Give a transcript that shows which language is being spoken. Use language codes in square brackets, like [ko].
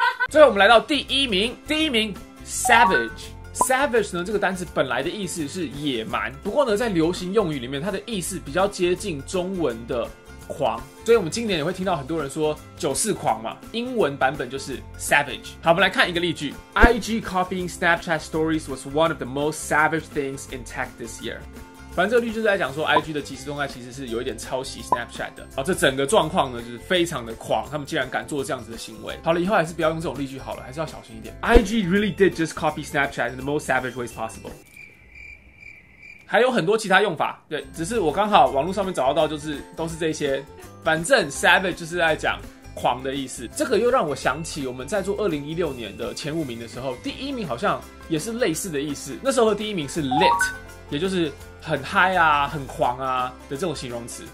[zh] 最后我们来到第一名，第一名 Savage。 Savage 呢，这个单词本来的意思是野蛮，不过呢，在流行用语里面，它的意思比较接近中文的狂，所以我们今年也会听到很多人说九四狂嘛，英文版本就是 savage。好，我们来看一个例句。 [en] IG copying Snapchat stories was one of the most savage things in tech this year。 [zh] 正这个律师在讲说 IG 的即时动态其实是有一点抄袭 Snapchat 的。好，这整个状况呢就是非常的狂，他们竟然敢做这样子的行为。好了，以后还是不要用这种例句好了，还是要小心一点。 [en] IG really did just copy Snapchat in the most savage ways possible。 [zh] 还有很多其他用法，对，只是我刚好网络上面找到就是都是这些，反正 savage 就是在讲狂的意思。这个又让我想起我们在做2016年的前五名的时候，第一名好像也是类似的意思，那时候的第一名是 lit， 也就是很 high 啊很狂啊的这种形容词。